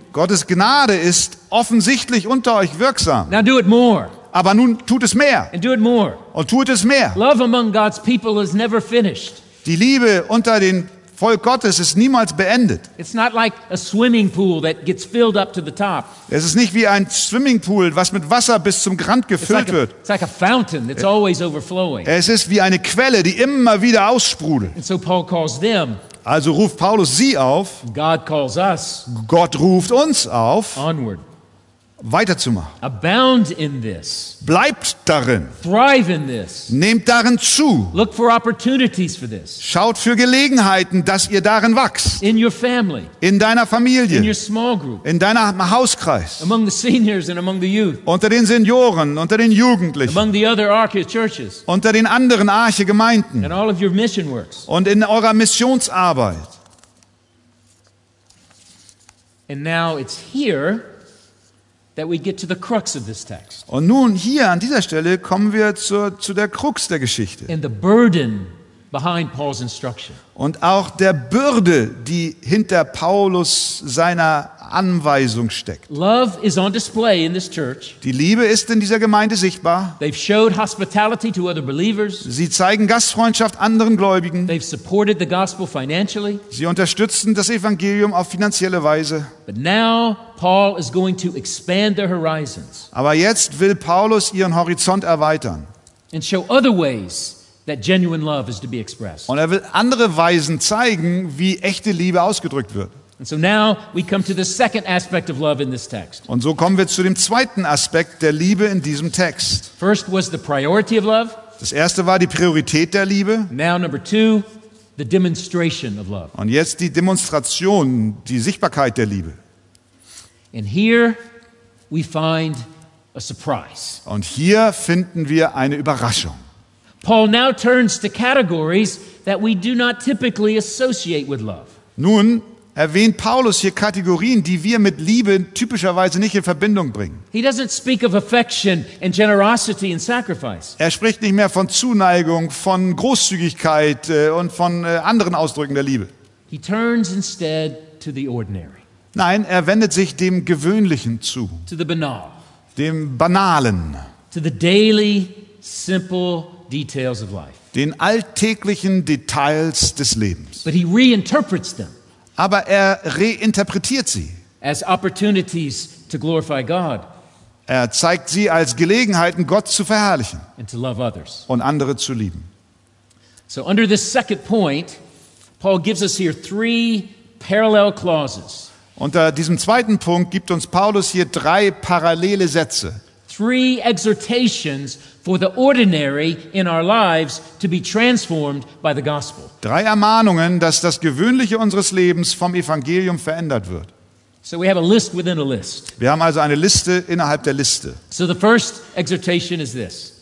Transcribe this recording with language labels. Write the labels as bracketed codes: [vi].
[de] Gottes Gnade ist offensichtlich unter euch wirksam. [en] Now do it more. [de] Aber nun tut es mehr. [en] And do it more. [de] Und tut es mehr. [en] Love among God's people is never finished. [de] Die Liebe unter den Volk Gottes ist niemals beendet. [en] It's not like a swimming pool that gets filled up to the top. [de] Es ist nicht wie ein Swimmingpool, was mit Wasser bis zum Rand gefüllt wird. [en] It's like a fountain that's always overflowing. [de] Es ist wie eine Quelle, die immer wieder aussprudelt. [en] And so Paul calls them. [de] Also ruft Paulus sie auf. [en] God calls us. [de] Gott ruft uns auf. [en] Onward. [de] Weiterzumachen. [en] Abound in this. [de] Bleibt darin. [en] Thrive in this. [de] Nehmt darin zu. [en] Look for opportunities for this. [de] Schaut für Gelegenheiten, dass ihr darin wachst. [en] In your family. [de] In deiner Familie. [en] In your small group. [de] In deinem Hauskreis. [en] Among the seniors and among the youth. [de] Unter den Senioren, unter den Jugendlichen. [en] Among the other Arche churches. [de] Unter den anderen Arche-Gemeinden. [en] And all of your mission works. [de] Und in eurer Missionsarbeit. [en] And now it's here that we get to the crux of this text. [de] Und nun hier an dieser Stelle kommen wir zu der Krux der Geschichte. [en] And the burden behind Paul's instruction. [de] Und auch der Bürde, die hinter Paulus seiner Anweisung steckt. [en] Love is on display in this church. [de] Die Liebe ist in dieser Gemeinde sichtbar. [en] They've showed hospitality to other believers. [de] Sie zeigen Gastfreundschaft anderen Gläubigen. [en] They've supported the gospel financially. [de] Sie unterstützen das Evangelium auf finanzielle Weise. [en] But now Paul is going to expand their horizons. [de] Aber jetzt will Paulus ihren Horizont erweitern. [en] And show other ways that genuine love is to be expressed. [de] Und er will andere Weisen zeigen, wie echte Liebe ausgedrückt wird. [en] And so now we come to the second aspect of love in this text. [de] Und so kommen wir zu dem zweiten Aspekt der Liebe in diesem Text. [en] First was the priority of love. [de] Das erste war die Priorität der Liebe. [en] Now number two, the demonstration of love. [de] Und jetzt die Demonstration, die Sichtbarkeit der Liebe. [en] And here we find a surprise. [de] Und hier finden wir eine Überraschung. [en] Paul now turns to categories that we do not typically associate with love. [de] Nun erwähnt Paulus hier Kategorien, die wir mit Liebe typischerweise nicht in Verbindung bringen. [en] He doesn't speak of affection and generosity and sacrifice. [de] Er spricht nicht mehr von Zuneigung, von Großzügigkeit und von anderen Ausdrücken der Liebe. [en] He turns instead to the ordinary. [de] Nein, er wendet sich dem Gewöhnlichen zu. [en] To the banal. [de] Dem Banalen. [en] To the daily, simple details of life. [de] Den alltäglichen Details des Lebens. [en] But he reinterprets them. [de] Aber er reinterpretiert sie. [en] As opportunities to glorify God. [de] Er zeigt sie als Gelegenheiten, Gott zu verherrlichen [en] and to love others. [de] Und andere zu lieben. [en] So under this second point, Paul gives us here three parallel clauses. [de] Unter diesem zweiten Punkt gibt uns Paulus hier drei parallele Sätze. [en] Three exhortations for the ordinary in our lives to be transformed by the gospel. [de] Drei Ermahnungen, dass das Gewöhnliche unseres Lebens vom Evangelium verändert wird. [en] So we have a list within a list. [de] Wir haben also eine Liste innerhalb der Liste. [en] So the first exhortation is this.